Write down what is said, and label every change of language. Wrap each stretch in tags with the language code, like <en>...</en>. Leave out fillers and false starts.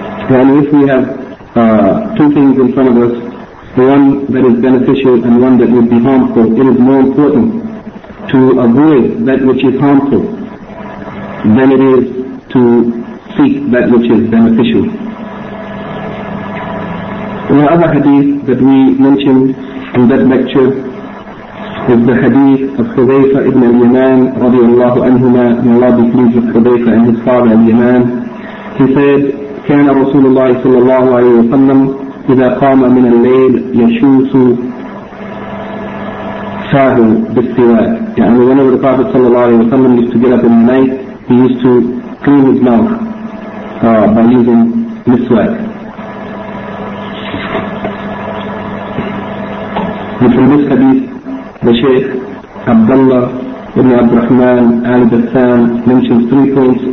<en>And if we have two things in front of us, one that is beneficial and one that would be harmful, it is more important to avoid that which is harmful than it is to seek that which is beneficial. The other hadith that we mentioned in that lecture is the hadith of Hudhayfa ibn al-Yaman radiallahu anhuma, may Allah be pleased with Hudhayfa and his father al-Yaman.</en> <ar>He said, كان رسول الله صلى الله عليه وسلم إذا قام من الليل يشوس ساعه بالسواك.</ar> <en>يعني whenever the Prophet صلى الله عليه وسلم used to get up in the night, he used to clean his mouth by using مسواك. وفي this hadith, the Shaykh Abdullah ibn Abd al-Rahman al-Bassam mentions three points.</en>